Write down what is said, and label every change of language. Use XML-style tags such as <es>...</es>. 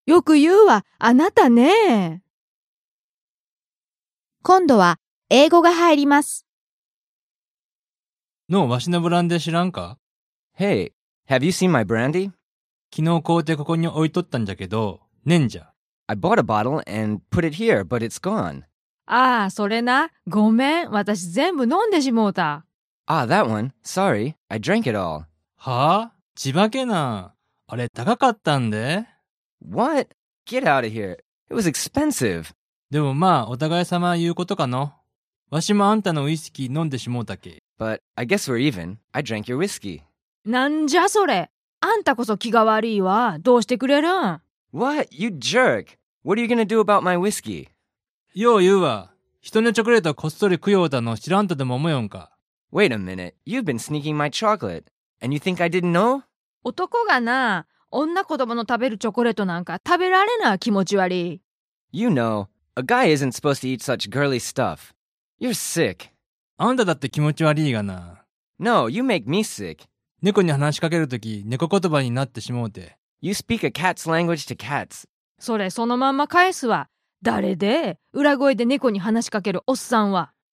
<ja>よく言うわ、あなたね。今度は英語が入ります。のわしのブランデー知らんか？</ja> <en>Hey, have you seen my brandy?</en> <ja>昨日買うてここに置いとったんじゃけど、ねんじゃ。</ja> <en>I bought a bottle and put it here, but it's gone.</en> <ja>ああ、それな。ごめん。私全部飲んでしもうた。</ja> <en>Ah, that one. Sorry, I drank it all.</en> <ja>はあ？ちばけな。あれ高かったんで？</ja> <en>What? Get out of here. It was expensive.</en> <ja>でもまあ、お互い様言うことかの。わしもあんたのウイスキー飲んでしもうたけ。</ja> <en>But I guess we're even. I drank your whiskey.</en> <ja>なんじゃそれ。あんたこそ気が悪いわ。どうしてくれるん？</ja> <en>What? You jerk. What are you gonna do about my whiskey?</en> <ja>よう言うわ。人のチョコレートこっそり食ようたの知らんとでも思うんか。</ja> <en>Wait a minute. You've been sneaking my chocolate. And you think I didn't know?</en> <ja>男がな、女子供の食べるチョコレートなんか食べられな、気持ち悪い。</ja> <en>You know, a guy isn't supposed to eat such girly stuff. You're sick.</en> <ja>あんただって気持ち悪いがな。</ja> <en>No, you make me sick.</en> <ja>猫に話しかけるとき、猫言葉になってしもうて。</ja> <en>You speak a cat's language to cats.</en> <ja>それ、そのまんま返すわ。誰で？裏声で猫に話しかけるおっさんは。</ja>